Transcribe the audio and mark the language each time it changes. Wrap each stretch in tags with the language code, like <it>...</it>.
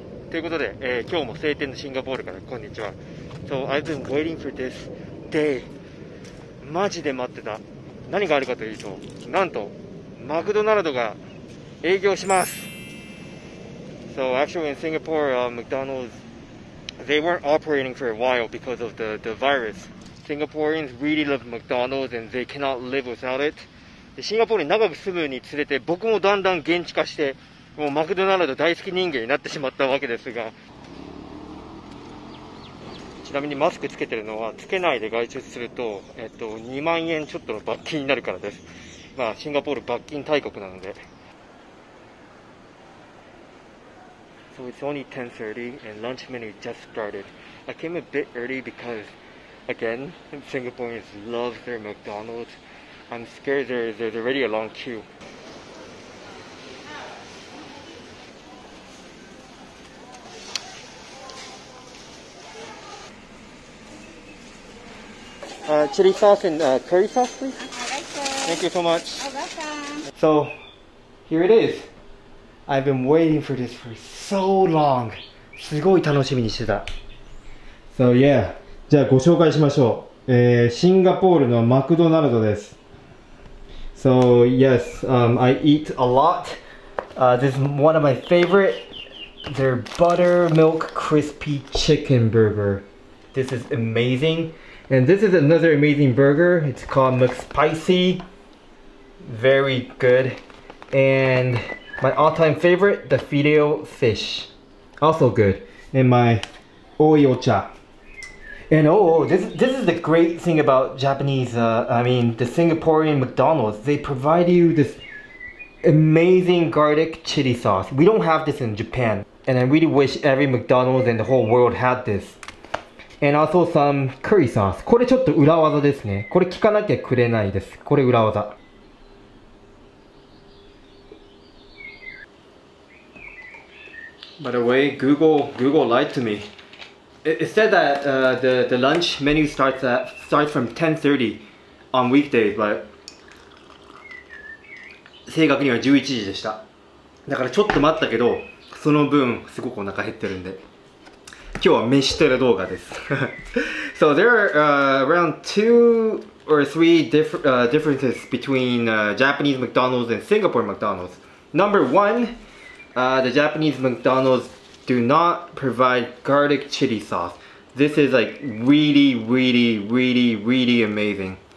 <ja>ということで、今日も晴天のシンガポールからこんにちは。</ja> <en>So I've been waiting for this day.</en> <ja>マジで待ってた。何があるかというと、なんとマクドナルドが営業します。</ja> <en>So actually in Singapore, McDonald's they weren't operating for a while because of the virus. Singaporeans really love McDonald's and they cannot live without it.</en> <ja>シンガポールに長く住むにつれて僕もだんだん現地化してもうマクドナルド大好き人間になってしまったわけですが、ちなみにマスクつけてるのはつけないで外出すると、2万円ちょっとの罰金になるからです。まあシンガポール罰金大国なので。</ja> <en>So it's only 10:30 and lunch menu just started. I came a bit early because again Singaporeans love their McDonald'sI'm scared there's already a long queue. Chili sauce and curry sauce, please. Thank you so much. Welcome. So, here it is. I've been waiting for this for so long.</en> <ja>すごい楽しみにしてた。</ja> <en>So yeah,</en> <ja>じゃあご紹介しましょう。シンガポールのマクドナルドです。</ja> <en>So yes, I eat a lot. This is one of my favorite. Their buttermilk crispy chicken burger. This is amazing. And this is another amazing burger. It's called McSpicy. Very good. And my all-time favorite, the fideo fish. Also good. And my oyocha. And oh, this is the great thing about Japanese, the Singaporean McDonald's. They provide you this amazing garlic chili sauce. We don't have this in Japan. And I really wish every McDonald's in the whole world had this. And also some curry sauce.</en> <ja>これちょっと裏技ですね。これ聞かなきゃくれないです。これ裏技。</ja> <en>By the way, Google lied to me. It said that the lunch menu starts from 10:30 on weekdays, but</en> <ja>正確には11時でした。だからちょっと待ったけど、その分すごくお腹減ってるんで、今日は飯テレ動画です。</ja> <en>So there are around two or three differences between Japanese McDonald's and Singapore McDonald's. Number one, the Japanese McDonald'sDo not provide garlic chili sauce. This is like really, really, really, really amazing.</en>